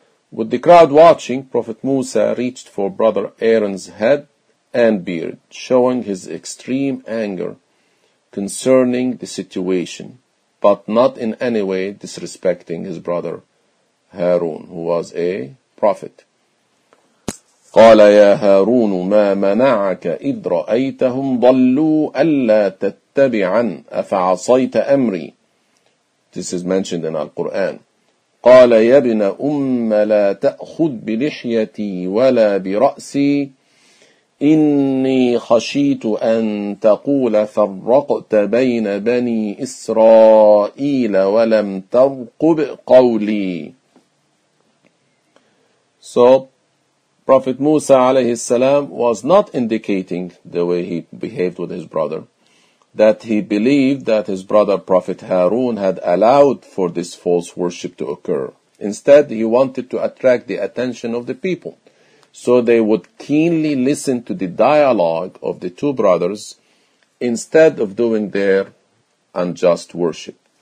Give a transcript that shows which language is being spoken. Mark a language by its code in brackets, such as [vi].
[en] With the crowd watching, Prophet Musa reached for brother Aaron's head and beard, showing his extreme anger concerning the situation, but not in any way disrespecting his brother Harun, who was a prophet. [ar] قال يا هارون ما منعك إذ رأيتهم ضلوا ألا تتبعا أفعصيت أمري. [en] This is mentioned in Al-Quran. [ar] قال يا ابن أم لا تأخذ بلحيتي ولا برأسي إني خشيت أن تقول فرقت بين بني إسرائيل ولم ترقب قولي. [en] So Prophet Musa alayhi salam was not indicating the way he behaved with his brother, that he believed that his brother Prophet Harun had allowed for this false worship to occur. Instead, he wanted to attract the attention of the people, so they would keenly listen to the dialogue of the two brothers instead of doing their unjust worship.